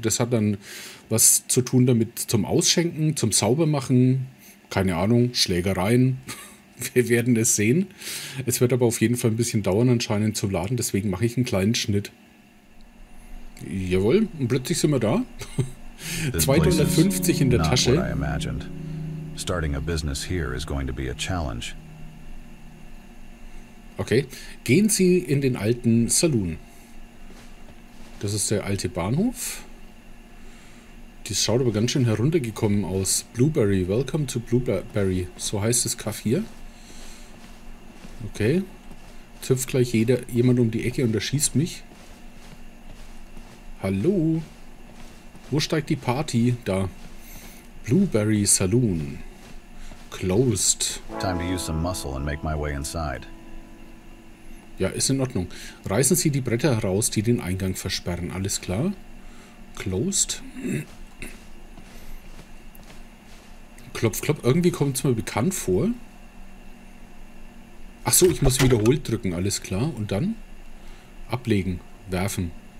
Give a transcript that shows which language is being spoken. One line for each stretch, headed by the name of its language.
German: Das hat dann was zu tun damit zum Ausschenken, zum Saubermachen. Keine Ahnung, Schlägereien. Wir werden es sehen. Es wird aber auf jeden Fall ein bisschen dauern anscheinend zum Laden. Deswegen mache ich einen kleinen Schnitt. Jawohl, und plötzlich sind wir da. 250 in der Tasche.
English: Not what I imagined. Starting a business here is going to be a challenge.
German: Okay, gehen Sie in den alten Saloon. Das ist der alte Bahnhof. Das schaut aber ganz schön heruntergekommen aus.
English: Blueberry, welcome to Blueberry.
German: So heißt das Café hier. Okay. Jetzt hüpft gleich jemand um die Ecke und erschießt mich. Hallo. Wo steigt die Party? Da.
English: Blueberry Saloon. Closed. Time to use some muscle and make my way inside.
German: Ja, ist in Ordnung. Reißen Sie die Bretter heraus, die den Eingang versperren. Alles klar. Closed. Klopf, klopf. Irgendwie kommt es mir bekannt vor. Ach so, ich muss wiederholt drücken. Alles klar. Und dann? Ablegen. Werfen.